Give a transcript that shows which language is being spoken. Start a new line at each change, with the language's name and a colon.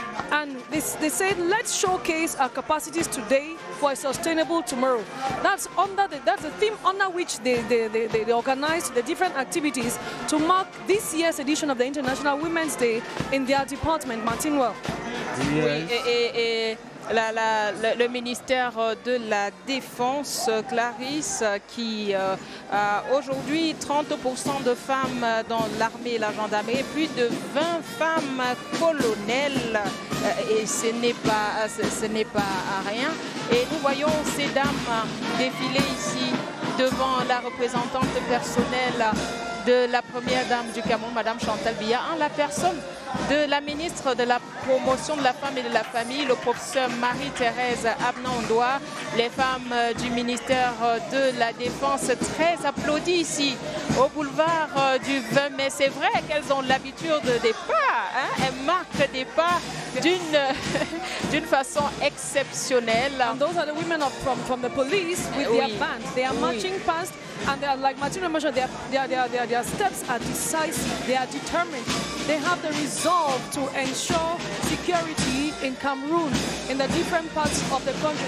English: And they said, let's showcase our capacities today for a sustainable tomorrow. That's the theme under which they organized the different activities to mark this year's edition of the International Women's Day in their department. Martin Well.
French: Le ministère de la Défense, Clarisse, qui a aujourd'hui 30% de femmes dans l'armée et la gendarmerie, plus de 20 femmes colonelles, et ce n'est pas rien. Et nous voyons ces dames défiler ici devant la représentante personnelle de la première dame du Cameroun, Madame Chantal Biya, en la personne de la ministre de la Promotion de la Femme et de la Famille, le professeur Marie-Thérèse Abnandoua, les femmes du ministère de la Défense, très applaudies ici au boulevard du 20 mai. C'est vrai qu'elles ont l'habitude des pas, hein? Elles marquent des pas d'une façon exceptionnelle.
English: And those are the women from the police with their bands. They are marching past. And they are like Martina mentioned, their steps are decisive, they are determined, they have the resolve to ensure security in Cameroon, in the different parts of the country.